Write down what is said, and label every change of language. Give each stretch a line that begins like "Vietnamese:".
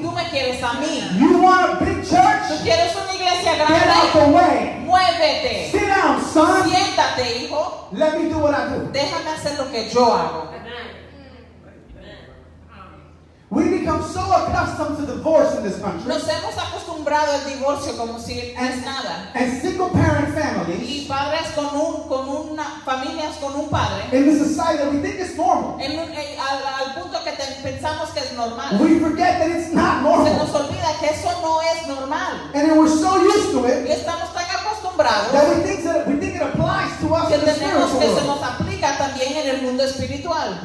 Spanish: Tú me quieres a mí.
English: You want a big church?
Spanish: Tú quieres una iglesia grande.
English: Get out the way.
Spanish: Muévete.
English: Sit down, son.
Spanish: Siéntate, hijo.
English: Let me do what I do.
Spanish: Déjame hacer lo que yo hago.
English: We become so accustomed to divorce in this country.
Spanish: Nos hemos acostumbrado al divorcio como si no es nada.
English: And single parent families.
Spanish: Y padres con una familias con un padre.
English: In the society that we think is normal.
Spanish: Al punto que pensamos que es normal.
English: We forget that it's not normal.
Spanish: Se nos olvida que eso no es normal.
English: And then we're so used to it.
Spanish: Y estamos tan acostumbrados.
English: That we think it applies to us in the spiritual world.
Spanish: Que se nos aplica también en el mundo espiritual.